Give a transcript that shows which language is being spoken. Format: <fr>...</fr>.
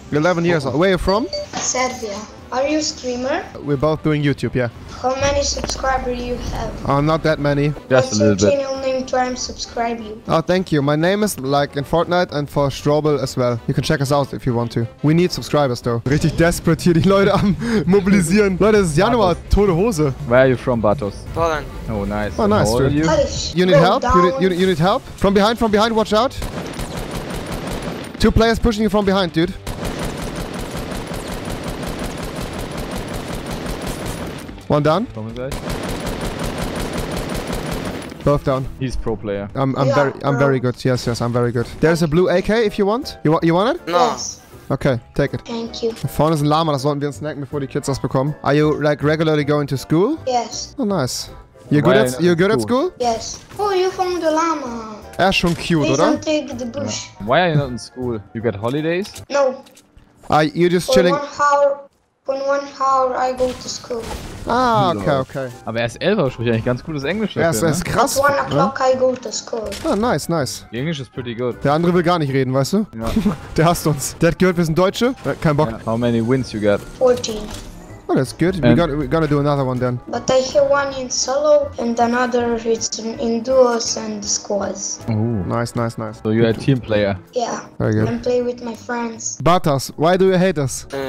<en>11 years old. Where are you from? Serbia. Are you a streamer? We're both doing YouTube, yeah. How many subscribers you have? Not that many. Just a little bit. What's your channel name to unsubscribe you? Oh, thank you. My name is like in Fortnite and for Strobel as well. You can check us out if you want to. We need subscribers though.</en> <de>Richtig desperate hier, die Leute am mobilisieren. Leute, es ist Januar, tote Hose.</de> <en>Where are you from, Bartos? Poland. Oh, nice. Oh, nice. How old are you? You need help? You need help? From behind, watch out. Two players pushing you from behind, dude. One down. Both down. He's pro player. I'm very good. Yes, I'm very good. There's a blue AK if you want. You want it? No. Okay, take it. Thank you.</en> <de>Vorne ist ein Lama, das sollten wir snacken, bevor die Kids das bekommen.</de> <en>Are you like regularly going to school? Yes. Oh, nice. You're good at school? Yes. Oh, you found the llama.</en> <de>Er ist schon cute,</de> <en>Please</en> <de>oder?</de> <en>Don't take the bush. No. Why are you not in school? You got holidays? No. You're just chilling. One hour, I go to school. Ah, okay.</en> <de>Aber er ist 11, spricht eigentlich ganz gutes Englisch. Er ist, ne? Ist krass.</de> <en>At 1 o'clock, ja? I go to school. Ah, nice. The English is pretty good.</en> <de>Der andere will gar nicht reden, weißt du? Ja. Der hasst uns. Der hat gehört, wir sind Deutsche. Kein Bock.</de> <en>Yeah. How many wins you got? 14. Oh, that's good. We're gonna do another one then. But I hear one in solo and another it's in duos and squads. Ooh. Nice. So you're a team player? Yeah. Very good. I'm playing with my friends. Bartos, why do you hate us?</en>